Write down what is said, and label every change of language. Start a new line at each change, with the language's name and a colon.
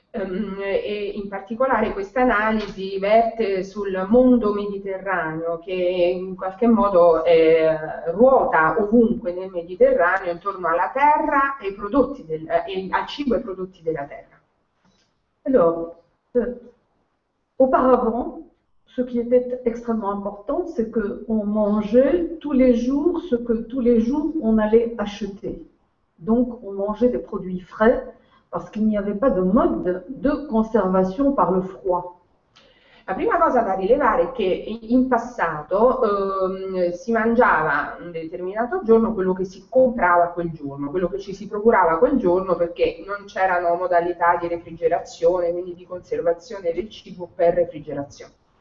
Italian: E in particolare questa analisi verte sul mondo mediterraneo che in qualche modo ruota ovunque nel Mediterraneo intorno alla terra e ai prodotti al cibo e ai prodotti della terra.
French: Alors, auparavant, ce qui était extrêmement important, c'est qu'on mangeait tous les jours ce que tous les jours on allait acheter. Donc, on mangeait des produits frais parce qu'il n'y avait pas de mode de conservation par le froid.
Italian: La prima cosa da rilevare è che in passato si mangiava un determinato giorno quello che si comprava quel giorno, quello che ci si procurava quel giorno perché non c'erano modalità di refrigerazione, quindi di conservazione del cibo per refrigerazione.